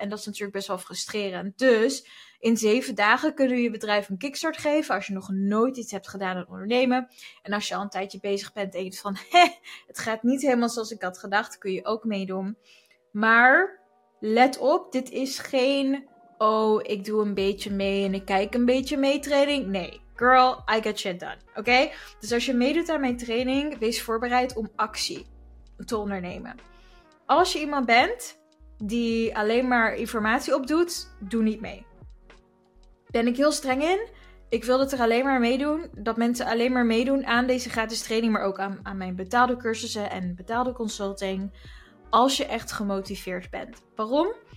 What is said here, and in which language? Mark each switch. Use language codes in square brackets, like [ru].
[nl] En dat is natuurlijk best wel frustrerend. Dus in 7 dagen kunnen we je bedrijf een kickstart geven als je nog nooit iets hebt gedaan aan ondernemen. En als je al een tijdje bezig bent en je van, het gaat niet helemaal zoals ik had gedacht, kun je ook meedoen. Maar let op, dit is geen, oh, ik doe een beetje mee en ik kijk een beetje mee training. [en] Nee, girl, I got shit done, okay? [nl] Dus als je meedoet aan mijn training, wees voorbereid om actie te ondernemen. Als je iemand bent die alleen maar informatie opdoet, doe niet mee. Ben ik heel streng in. Ik wil dat er alleen maar meedoen, dat mensen alleen maar meedoen aan deze gratis training, maar ook aan mijn betaalde cursussen en betaalde consulting, als je echt gemotiveerd bent. Waarom?